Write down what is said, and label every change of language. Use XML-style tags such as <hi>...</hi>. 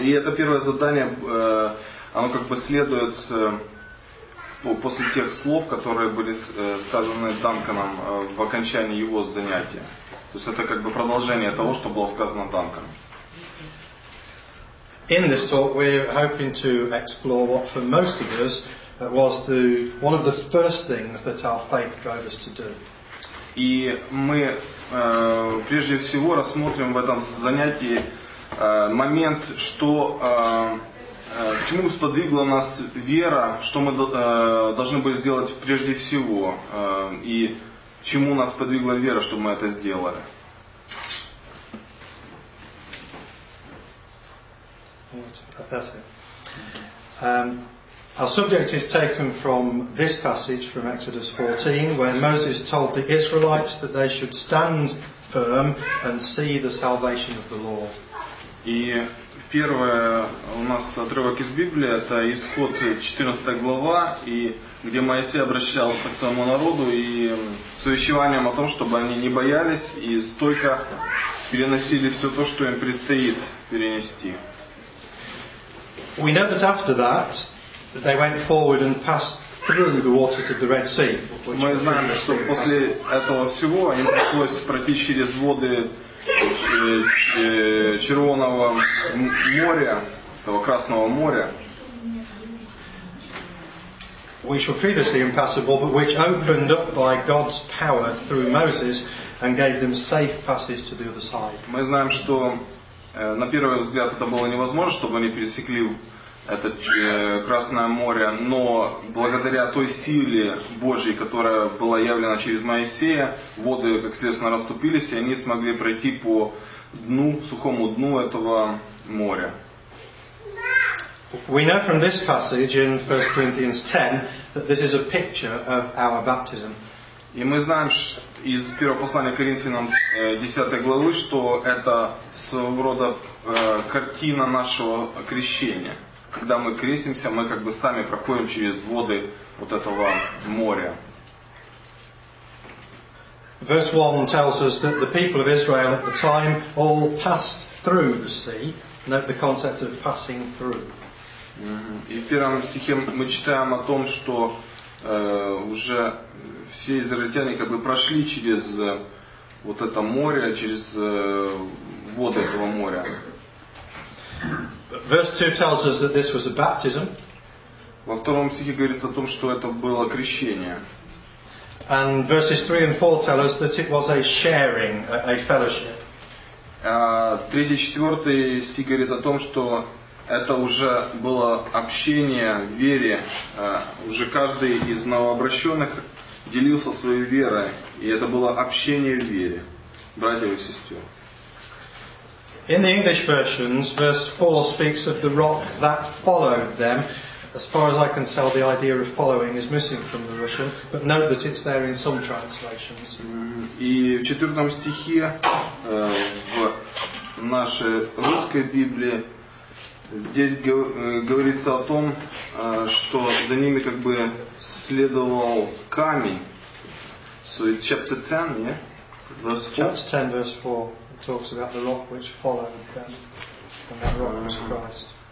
<ru>И это первое задание, оно как бы следует после тех слов, которые были сказаны Данканом в окончании его занятия. То есть это как бы продолжение того, что было сказано Данканом.</ru> <en>In this talk, we're hoping to explore what, for most of us, was the one of the first things that our faith drove us to do.</en> <ru>И мы прежде всего рассмотрим в этом занятии момент, что к чему сподвигла нас вера, что мы должны были сделать прежде всего, и чему нас подвигла вера, чтобы мы это сделали.</ru> <en>That's it. Our subject is taken from this passage from Exodus 14, where Moses told the Israelites that they should stand firm and see the salvation of the Lord.</en> <ru>И первое у нас отрывок из Библии — это Исход 14 глава, и где Моисей обращался к своему народу и с увещеванием о том, чтобы они не боялись и стойко переносили все то, что им предстоит перенести.</ru> <en>We know that after that they went forward and passed through the waters of the Red Sea.</en> <ru>Мы знаем, что после этого всего им пришлось пройти через воды Червоного моря, этого Красного моря.</ru> <en>Which were previously impassable, but which opened up by God's power through Moses and gave them safe passage to the other side.</en> <ru>Мы знаем, что на первый взгляд это было невозможно, чтобы они пересекли это Красное море, но благодаря той силе Божьей, которая была явлена через Моисея, воды, как известно, расступились, и они смогли пройти по дну, сухому дну этого моря.</ru> <en>We know from this passage in 1 Corinthians 10 that this is a picture of our baptism.</en> <ru>И мы знаем из первого послания к Коринфянам 10 главы, что это своего рода картина нашего крещения. Когда мы крестимся, мы как бы сами проходим через воды вот этого моря.</ru> <en>Verse 1 tells us that the people of Israel at the time all passed through the sea. Note the concept of passing through.</en> <ru>И в первом стихе мы читаем о том, что уже все израильтяне как бы прошли через вот это море, через воды этого моря.</ru> <en>Verse 2 tells us that this was a baptism.</en> <ru>Во втором стихе говорится о том, что это было крещение.</ru> <en>And verses 3 and 4 tell us that it was a sharing, a fellowship.</en> <ru>Третий, четвертый стих говорит о том, что это уже было общение в вере. Уже каждый из новообращенных делился своей верой. И это было общение в вере, братьев и сестер.</ru> <en>In the English versions, verse 4 speaks of the rock that followed them. As far as I can tell, the idea of following is missing from the Russian, but note that it's there in some translations.</en> <ru>И в четвертом стихе в нашей русской Библии здесь говорится о том, что за ними как бы следовал камень.</ru> <en>So it's chapter 10, yeah? Verse 4. Chapter 10, verse 4. Talks about the rock which followed them, and that rock was Christ.</en>